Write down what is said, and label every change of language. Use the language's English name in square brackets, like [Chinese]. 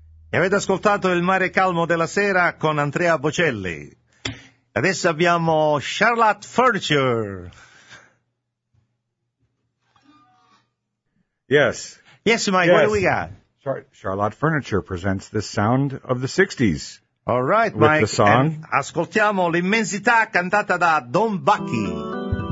[Italian] E avete ascoltato Il mare calmo della sera con Andrea Bocelli. Adesso abbiamo Charlotte Furniture. [English] Yes. Yes, Mike, yes. What do we got? Charlotte Furniture presents the sound of the 60s. All right, with Mike. The song. [Italian] Ascoltiamo L'immensità cantata da Don Bucky.